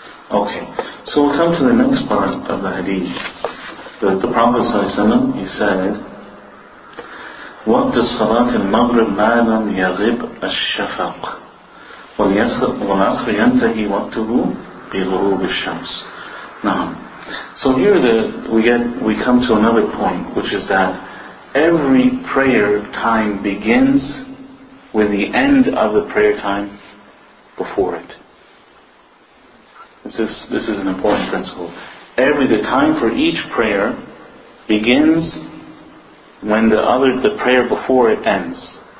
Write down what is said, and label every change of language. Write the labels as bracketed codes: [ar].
[en] Okay. So we'll come to the next part of the hadith. The Prophet ﷺ, he said, [ar] وَقْتَ الصَّلَاةِ الْمَغْرِبِ مَا لَمْ يَغِبْ الشَّفَقِ وَالْعَصْرِ يَنْتَهِ وَقْتُهُ بِغُرُوبِ الشَّمْسِ. [en] Now, so here we come to another point, which is that every prayer time begins with the end of the prayer time before it. This is an important principle. The time for each prayer begins when the prayer before it ends.